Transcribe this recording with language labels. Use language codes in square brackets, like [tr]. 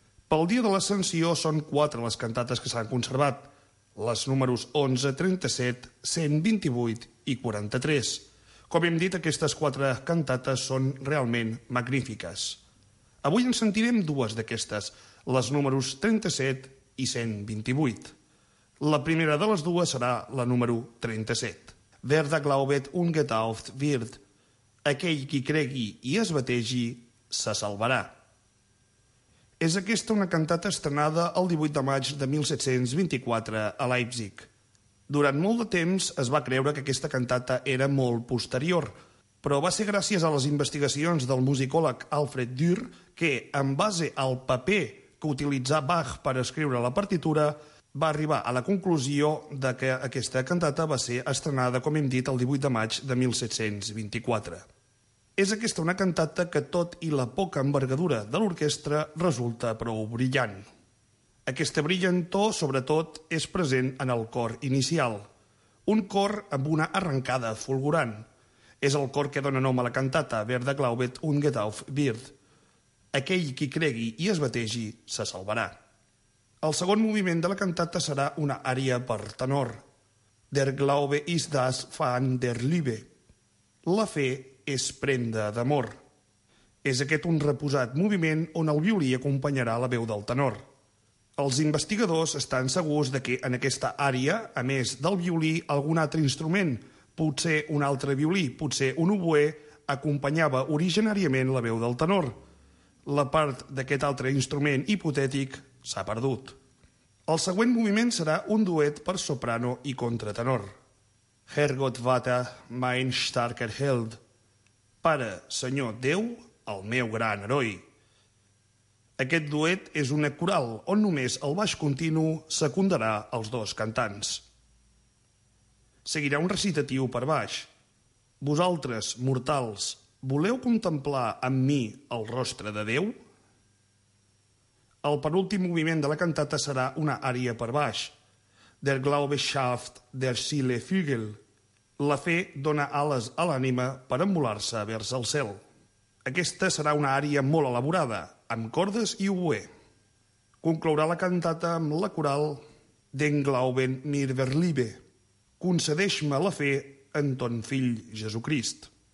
[ca] Pel dia de l'Ascensió són quatre les cantates que s'han conservat, les números 11, 37, 128 i 43. Com hem dit, aquestes quatre cantates són realment magnífiques. Avui en sentirem dues d'aquestes, les números 37 i 128. La primera de les dues serà la número 37. [de] Wer da glaubet und getauft wird. [ca] Aquell qui cregui i es bategi, se salvarà. És aquesta una cantata estrenada el 18 de maig de 1724 a Leipzig. Durant molt de temps es va creure que aquesta cantata era molt posterior, però va ser gràcies a les investigacions del musicòleg Alfred Dürr que, en base al paper que utilitzà Bach per escriure la partitura, va arribar a la conclusió de que aquesta cantata va ser estrenada, com hem dit, el 18 de maig de 1724. És aquesta una cantata que, tot i la poca envergadura de l'orquestra, resulta prou brillant. Aquesta brillantor, sobretot, és present en el cor inicial. Un cor amb una arrencada fulgurant. És el cor que dona nom a la cantata, [de] Wer da glaubet und getauft wird. [ca] Aquell qui cregui i es bategi se salvarà. El segon moviment de la cantata serà una ària per tenor. [de] Der Glaube ist das Fahn der Liebe. [ca] La fe és prenda d'amor. És aquest un reposat moviment on el violí acompanyarà la veu del tenor. Els investigadors estan segurs de que en aquesta ària, a més del violí, algun altre instrument, potser un altre violí, potser un oboè, acompanyava originàriament la veu del tenor. La part d'aquest altre instrument hipotètic s'ha perdut. El següent moviment serà un duet per soprano i contratenor. [de] Herrgott Vater, mein starker Held. [ca] Pare, Senyor Déu, el meu gran heroi. Aquest duet és una coral on només el baix continu secundarà els dos cantants. Seguirà un recitatiu per baix. Vosaltres, mortals, voleu contemplar amb mi el rostre de Déu? El penúltim moviment de la cantata serà una ària per baix. [de] Der Glaube schafft der Seele Flügel. [ca] La fe dona ales a l'ànima per envolar-se vers el cel. Aquesta serà una ària molt elaborada, amb cordes i oboè. Conclourà la cantata amb la coral [de] Den Glauben mir verliebe. [ca] Concedeix-me la fe en ton fill Jesucrist.